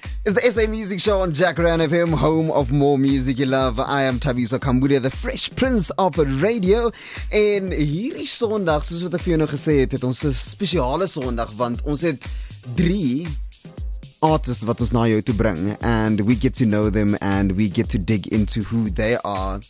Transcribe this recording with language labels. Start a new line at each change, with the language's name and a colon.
English: It's the SA Music Show on Jacaranda FM, home of more music you love. I am Thabiso Kambule, the Fresh Prince of Radio.
Afrikaans: En hierdie Sondag, soos wat ek vir jou nou gesê het, het ons 'n spesiale Sondag, want ons het 3 artists wat ons na jou toe bring.
English: And we get to know them and we get to dig into who they are.